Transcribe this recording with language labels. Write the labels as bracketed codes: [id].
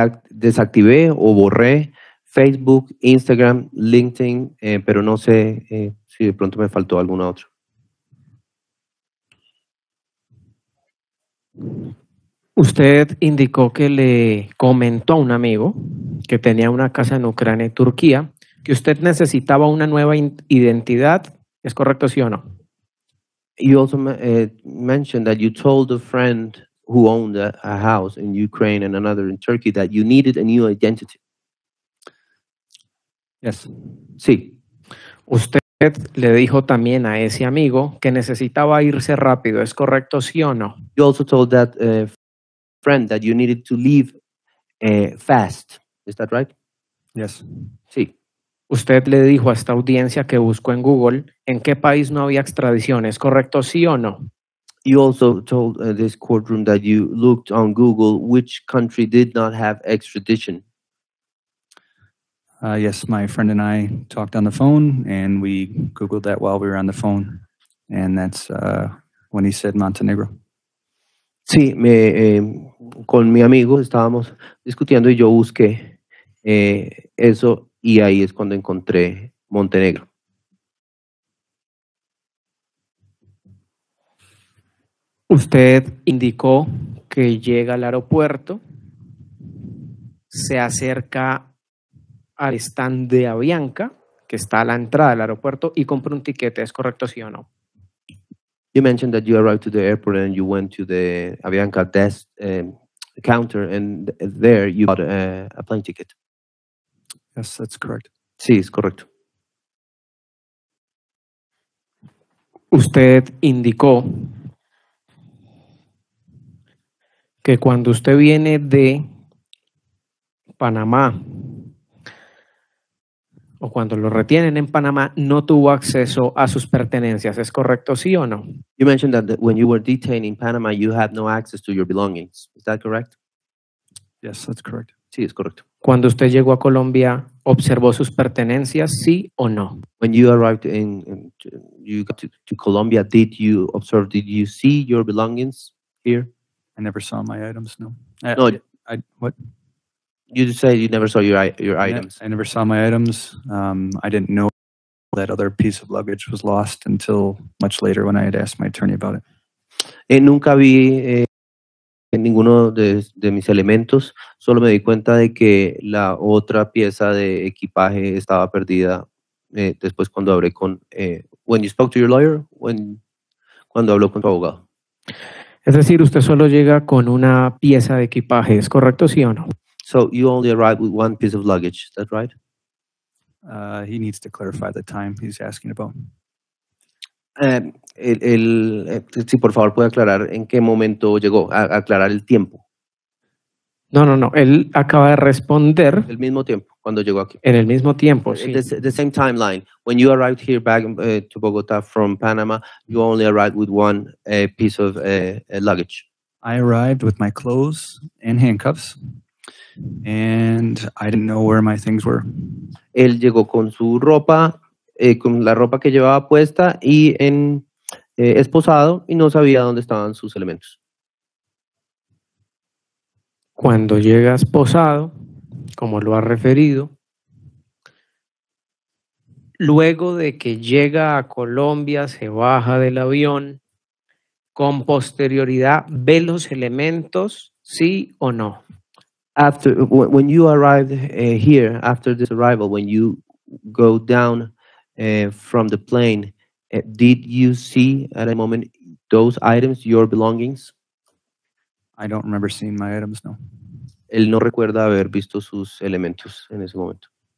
[es] Desactivé o borré Facebook, Instagram, LinkedIn, pero no sé si de pronto me faltó alguna otra. Usted indicó que le comentó a un amigo que tenía una casa en Ucrania y Turquía, que usted necesitaba una nueva identidad. ¿Es correcto, sí o no? [en] You also mentioned that you told a friend who owned a house in Ukraine and another in Turkey that you needed a new identity. Yes. [es] Sí. Usted le dijo también a ese amigo que necesitaba irse rápido. ¿Es correcto, sí o no? [en] You also told that friend that you needed to leave fast. Is that right? Yes. [es] Sí. Usted le dijo a esta audiencia que buscó en Google en qué país no había extradición. ¿Es correcto, sí o no? [en] You also told this courtroom that you looked on Google which country did not have extradition. Yes, my friend and I talked on the phone and we Googled that while we were on the phone. And that's when he said Montenegro. [es] Sí, me, con mi amigo estábamos discutiendo y yo busqué eso y ahí es cuando encontré Montenegro. Usted indicó que llega al aeropuerto, se acerca al stand de Avianca, que está a la entrada del aeropuerto, y compra un tiquete, ¿es correcto sí o no? [en] You mentioned that you arrived to the airport and you went to the Avianca desk counter and there you bought a plane ticket. Yes, that's correct. [es] Sí, es correcto. Usted indicó que cuando usted viene de Panamá o cuando lo retienen en Panamá, no tuvo acceso a sus pertenencias. ¿Es correcto, sí o no? [en] You mentioned that when you were detained in Panama, you had no access to your belongings. Is that correct? Yes, that's correct. [es] Sí, es correcto. Cuando usted llegó a Colombia, ¿observó sus pertenencias, sí o no? [en] When you arrived in you got to Colombia, did you observe, did you see your belongings here? I never saw my items, no. [es] No. [en] What? You just said you never saw your items. I never saw my items. I didn't know that other piece of luggage was lost until much later when I had asked my attorney about it. [es] Nunca vi ninguno de mis elementos. Solo me di cuenta de que la otra pieza de equipaje estaba perdida después cuando hablé con... [en] When you spoke to your lawyer? [es] Cuando habló con tu abogado. Es decir, usted solo llega con una pieza de equipaje. ¿Es correcto, sí o no? [en] So you only arrived with one piece of luggage, is that right? He needs to clarify the time he's asking about. [es] Si por favor puede aclarar en qué momento llegó, aclarar el tiempo. No, él acaba de responder. El mismo tiempo, cuando llegó aquí. En el mismo tiempo, sí. [en] The same timeline. When you arrived here back to Bogotá from Panama, you only arrived with one piece of luggage. I arrived with my clothes and handcuffs. And I didn't know where my things were. [es] Él llegó con su ropa, con la ropa que llevaba puesta y en esposado y no sabía dónde estaban sus elementos. Cuando llega esposado, como lo ha referido, luego de que llega a Colombia, se baja del avión, con posterioridad ve los elementos, sí o no. [en] After when you arrived here, after this arrival, when you go down from the plane, did you see at a moment those items, your belongings? I don't remember seeing my items, no. [es] Él no recuerda haber visto sus elementos en ese momento.